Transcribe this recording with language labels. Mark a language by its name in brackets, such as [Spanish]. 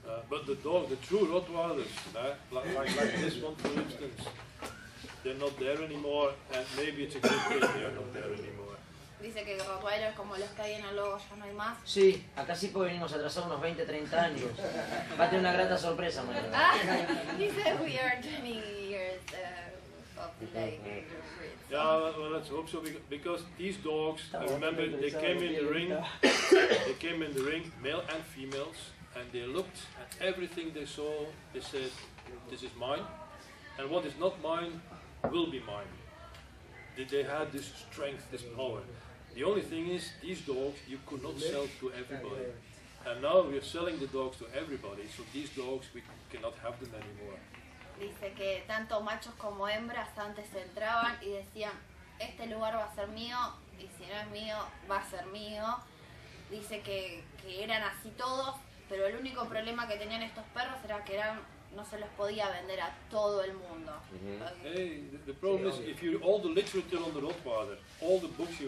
[English] But the dog, the true Rottweilers, like this one for instance, they're not there anymore, and maybe it's a good thing they're not there anymore. [Spanish] Dice que Rottweiler como los que hay en el logo ya no hay más. Sí, acá sí pues venimos a atrasar unos 20, 30 años. Va a tener una grata sorpresa mañana. Dice, [English] we are 20 years of life. Yeah, well, let's hope so, because these dogs, I remember, they came in the ring, male and females, and they looked at everything they saw, they said, this is mine, and what is not mine will be mine. They had this strength, this power. The only thing is, these dogs, you could not sell to everybody. And now we are selling the dogs to everybody, so these dogs, we cannot have them anymore. [Spanish] Dice que tanto machos como hembras antes entraban y decían, este lugar va a ser mío, y si no es mío, va a ser mío. Dice que eran así todos, pero el único problema que tenían estos perros era que eran... no se los podía vender a todo el mundo. [English] Hey, the problem is, if you all the literature on the Rottweiler, all the books you